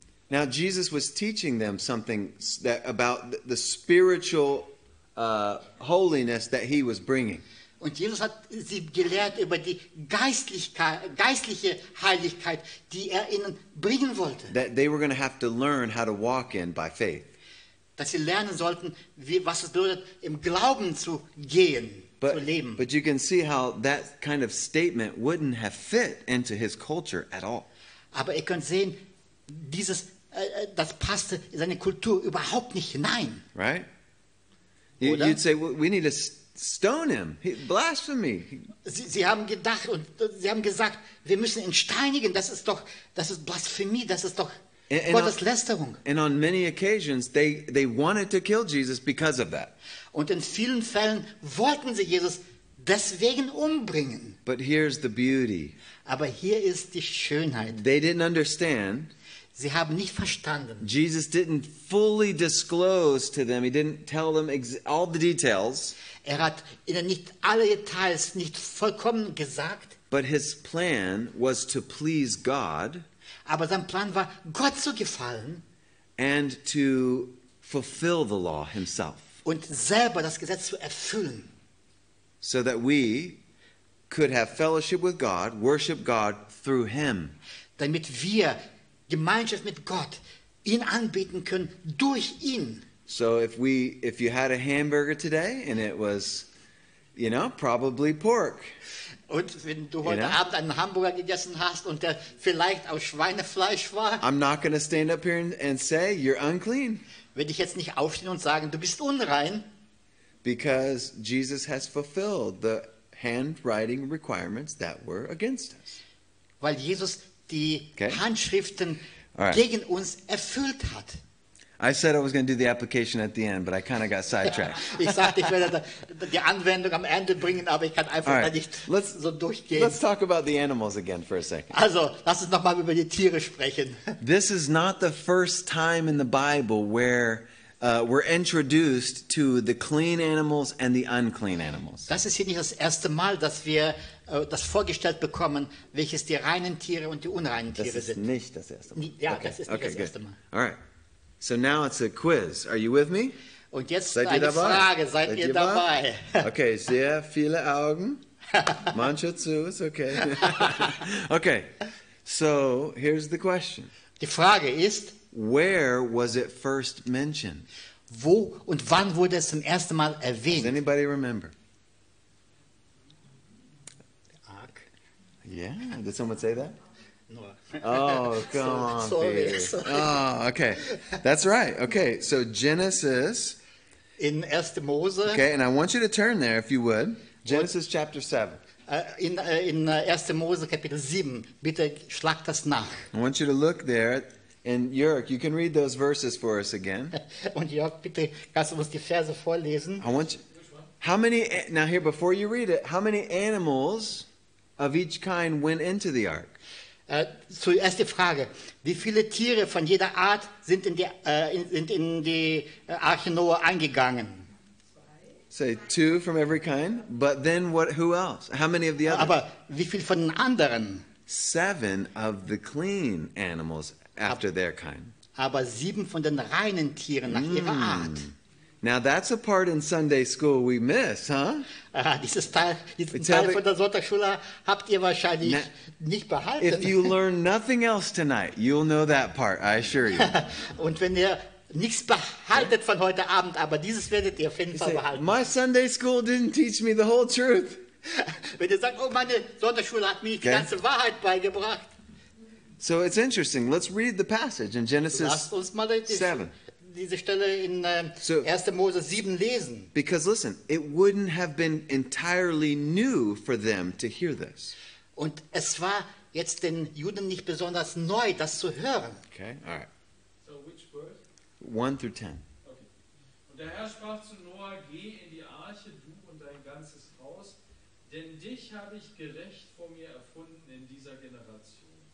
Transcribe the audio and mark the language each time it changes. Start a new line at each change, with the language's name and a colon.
English: Now Jesus was teaching them something that about the spiritual holiness that he was bringing.
German: Und Jesus hat sie gelehrt über die geistliche Heiligkeit, die er ihnen bringen wollte.
English: That they were going to have to learn how to walk in by faith.
German: Dass sie lernen sollten, was es bedeutet, im Glauben zu gehen,
English: but,
German: zu leben.
English: But you can see how that kind of statement wouldn't have fit into his culture at all.
German: Aber ihr könnt sehen, dieses das passte in seine Kultur überhaupt nicht hinein.
English: Right? You'd say we need to stone him. He, blasphemy.
German: Sie haben gedacht und sie haben gesagt, wir müssen ihn steinigen. Das ist Blasphemie. Das ist doch Gotteslästerung.
English: And on many occasions they wanted to kill Jesus because of that.
German: Und in vielen Fällen wollten sie Jesus deswegen umbringen.
English: But here's the beauty.
German: Aber hier ist die Schönheit.
English: They didn't understand.
German: Sie haben nicht verstanden.
English: Jesus didn't fully disclose to them. He didn't tell them all the details.
German: Er hat ihnen nicht alle Details, nicht vollkommen gesagt.
English: But his plan was to please God.
German: Aber sein Plan war, Gott zu gefallen.
English: And to fulfill the law himself.
German: Und selber das Gesetz zu erfüllen.
English: So that we could have fellowship with God, worship God through him.
German: Damit wir Gemeinschaft mit Gott ihn anbeten können durch ihn.
English: So if you had a hamburger today and it was, you know, probably pork.
German: Und wenn du heute Abend einen Hamburger gegessen hast und der vielleicht aus Schweinefleisch war.
English: I'm not going to stand up here and say you're unclean.
German: Werde ich jetzt nicht aufstehen und sagen, du bist unrein.
English: Because Jesus has fulfilled the handwriting requirements that were against us.
German: Weil Jesus die Handschriften gegen uns erfüllt hat.
English: I said I was going to do the application at the end, but I kind of got sidetracked.
German: Ich sagte, ich werde die Anwendung am Ende bringen, aber ich kann einfach da nicht so durchgehen.
English: Let's talk about the animals again for a second.
German: Also, lass uns noch mal über die Tiere sprechen.
English: This is not the first time in the Bible where we're introduced to the clean animals and the unclean animals.
German: Das ist hier nicht das erste Mal, dass wir das vorgestellt bekommen, welches die reinen Tiere und die unreinen Tiere sind. Das ist nicht das erste Mal. Ja, okay. Das ist nicht das erste Mal.
English: All right. So now it's a quiz. Are you with me?
German: Und jetzt seid eine dabei? Frage. Seid ihr dabei? Okay, sehr viele Augen. Manche zu, ist okay.
English: Okay, so here's the question.
German: Die Frage ist,
English: where was it first mentioned?
German: Wo und wann wurde es zum ersten Mal erwähnt?
English: Does anybody remember? Ark. Yeah, did someone say that? No. Oh, come sorry, on, sorry, Peter. Sorry. Oh, okay. That's right. Okay, so Genesis.
German: In 1. Mose.
English: Okay, and I want you to turn there, if you would. Genesis chapter 7.
German: In 1. Mose, Kapitel 7. Bitte schlag das nach.
English: I want you to look there. And Jörg, you can read those verses for us again.
German: Und Jörg, bitte kannst du uns die Verse vorlesen.
English: I want you, how many, now here, before you read it, how many animals of each kind went into the ark?
German: Zuerst die Frage, wie viele Tiere von jeder Art sind in die Arche Noah eingegangen?
English: Say two from every kind, but then what? Who else? How many of the others?
German: Aber wie viel von den anderen?
English: Seven of the clean animals after their kind.
German: Aber sieben von den reinen Tieren nach ihrer Art.
English: Now that's a part in Sunday school we miss, huh?
German: Dieses Teil von der Sonntagsschule habt ihr wahrscheinlich nicht behalten.
English: If you learn nothing else tonight, you'll know that part, I assure you.
German: Und wenn ihr nichts behaltet von heute Abend, aber dieses werdet ihr auf jeden Fall behalten.
English: My Sunday school didn't teach me the whole truth.
German: Wenn ihr sagt, oh, meine Sonntagsschule hat mir die ganze Wahrheit beigebracht.
English: So it's interesting. Let's read the passage in Genesis 7.
German: Diese Stelle in 1. Mose 7 lesen.
English: Because listen, it wouldn't have been entirely new for them to hear this.
German: Und es war jetzt den Juden nicht besonders neu, das zu hören.
English: Okay, all right. So which verse? 1-10. Okay.
German: Und der Herr sprach zu Noah, geh in die Arche, du und dein ganzes Haus, denn dich habe ich gerecht vor mir erfunden in dieser Generation.